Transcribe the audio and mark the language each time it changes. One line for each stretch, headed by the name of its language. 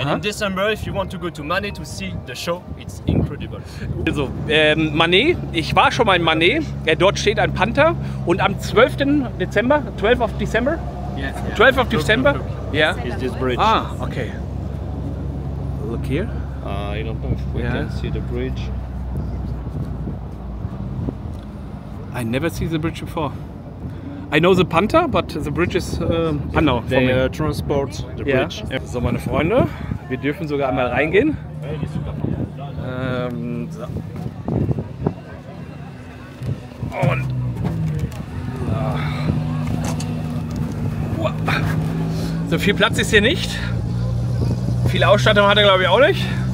English: And in December, if you want to go to Manet to see the show, it's incredible.
German: Also, Manet, ich war schon mal in Manet, dort steht ein Panther und am 12. Dezember,
English: 12th of December? Yeah. 12th of December? Yeah. Is this bridge. Ah, okay. Look here. I don't know if we can see the bridge. I never see the bridge before. I know the Panther, but the bridge is Panau. They transport the bridge. Yeah.
German: So, meine Freunde, wir dürfen sogar einmal reingehen. So. Und. So viel Platz ist hier nicht. Viel Ausstattung hat er, glaube ich, auch nicht.